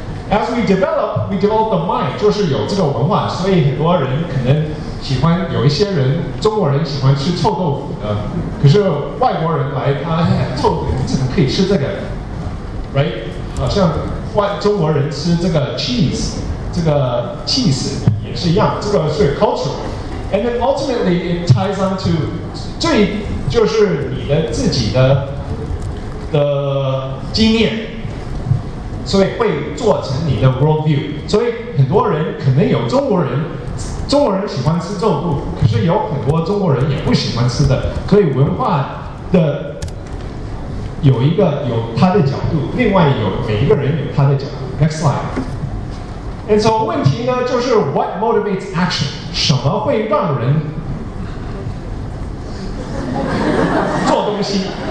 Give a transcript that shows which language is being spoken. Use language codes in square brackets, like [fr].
[en] As we develop the mind， [zh] 就是有这个文化，所以很多人可能喜欢，有一些人中国人喜欢吃臭豆腐的，可是外国人来他、哎、臭豆腐你怎么可以吃这个 ？Right？好像中国人吃这个 cheese 也是一样，这个是 cultural。 [en] And then ultimately it ties on to [zh] 最就是你的自己的经验，所以会做成你的 world view。所以很多人可能有中国人喜欢吃臭豆腐，可是有很多中国人也不喜欢吃的，所以文化的有一个有他的角度，另外有每一个人有他的角度。Next slide。 And so 问题呢就是 [en] what motivates action， [zh] 什么会让人做东西。